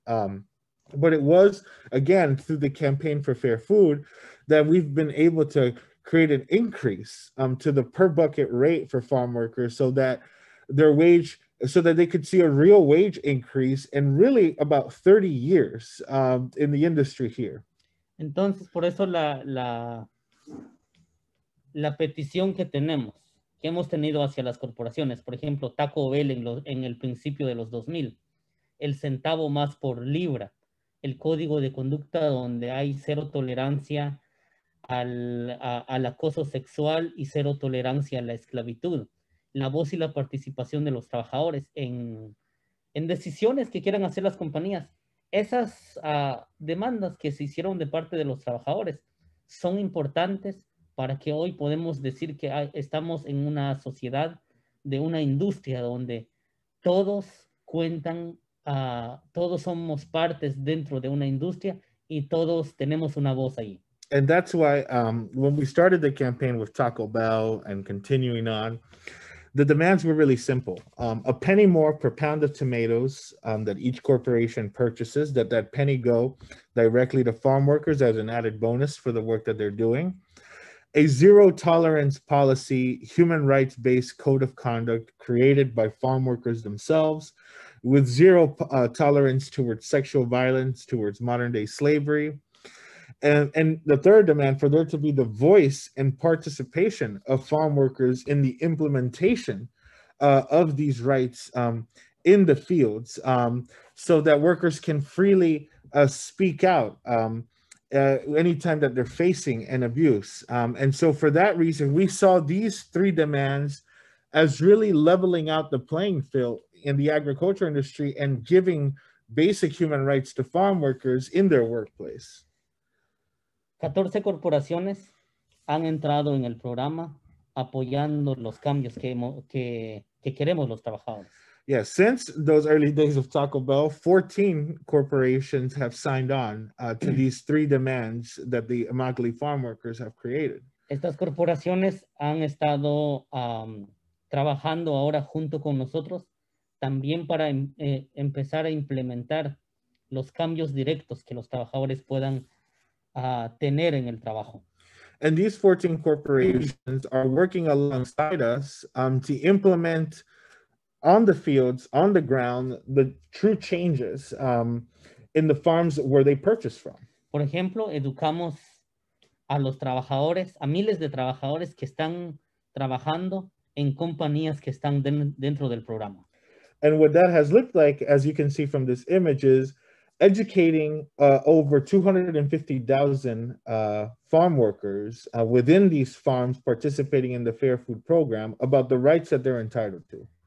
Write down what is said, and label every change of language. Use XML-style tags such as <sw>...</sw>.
<en>But it was, again, through the Campaign for Fair Food that we've been able to create an increase to the per bucket rate for farm workers so that they could see a real wage increase in really about 30 years in the industry here.</en> <es>Entonces, por eso la petición que tenemos, que hemos tenido hacia las corporaciones, por ejemplo, Taco Bell en el principio de los 2000, el centavo más por libra, el código de conducta donde hay cero tolerancia al acoso sexual y cero tolerancia a la esclavitud, la voz y la participación de los trabajadores en decisiones que quieran hacer las compañías. Esas demandas que se hicieron de parte de los trabajadores son importantes para que hoy podemos decir que estamos en una sociedad de una industria donde todos cuentan, todos somos partes dentro de una industria y todos tenemos una voz ahí.</es> <en>And that's why when we started the campaign with Taco Bell and continuing on, the demands were really simple. A penny more per pound of tomatoes that each corporation purchases, that penny go directly to farm workers as an added bonus for the work that they're doing. A zero tolerance policy, human rights-based code of conduct created by farm workers themselves, with zero tolerance towards sexual violence, towards modern day slavery. And the third demand, for there to be the voice and participation of farm workers in the implementation of these rights in the fields, so that workers can freely speak out anytime that they're facing an abuse. And so for that reason, we saw these three demands as really leveling out the playing field in the agriculture industry and giving basic human rights to farm workers in their workplace.</en> <es>14 corporaciones han entrado en el programa apoyando los cambios que queremos los trabajadores.</es> <en>Yeah, since those early days of Taco Bell, 14 corporations have signed on to these three demands that the Immokalee farm workers have created.</en> <es>Estas corporaciones han estado trabajando ahora junto con nosotros también para empezar a implementar los cambios directos que los trabajadores puedan tener en el trabajo.</es> <en>And these 14 corporations are working alongside us to implement on the fields, on the ground, the true changes in the farms where they purchase from.</en> <es>Por ejemplo, educamos a los trabajadores, a miles de trabajadores que están trabajando en compañías que están dentro del programa.</es> <en>And what that has looked like, as you can see from this image, is educating over 250,000 farm workers within these farms participating in the Fair Food Program about the rights that they're entitled to.</en>